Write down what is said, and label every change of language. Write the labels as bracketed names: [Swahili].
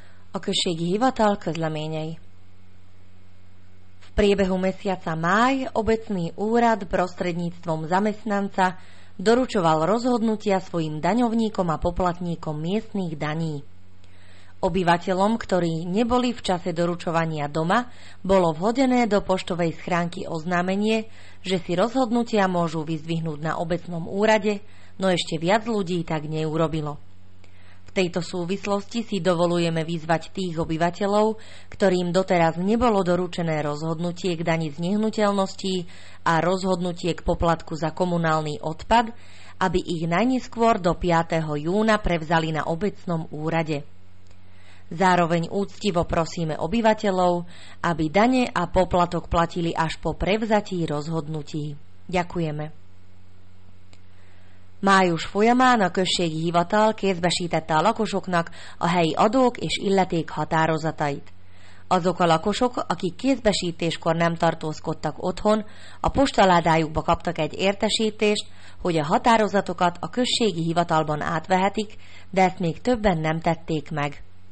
[Hungarian] O kösségi hivatal közleményei. [Slovak] V priebehu mesiaca máj obecný úrad prostredníctvom zamestnanca doručoval rozhodnutia svojim daňovníkom a poplatníkom miestnych daní. Obyvateľom, ktorí neboli v čase doručovania doma, bolo vhodené do poštovej schránky oznámenie, že si rozhodnutia môžu vyzdvihnúť na obecnom úrade, no ešte viac ľudí tak neurobilo. V tejto súvislosti si dovolujeme vyzvať tých obyvateľov, ktorým doteraz nebolo doručené rozhodnutie k dani z nehnuteľností a rozhodnutie k poplatku za komunálny odpad, aby ich najneskôr do 5. júna prevzali na obecnom úrade. Zároveň úctivo prosíme obyvateľov, aby dane a poplatok platili až po prevzatí rozhodnutí. Ďakujeme. [Hungarian] Május folyamán a községi hivatal kézbesítette a lakosoknak a helyi adók és illeték határozatait. Azok a lakosok, akik kézbesítéskor nem tartózkodtak otthon, a postaládájukba kaptak egy értesítést, hogy a határozatokat a községi hivatalban átvehetik, de ezt még többen nem tették meg.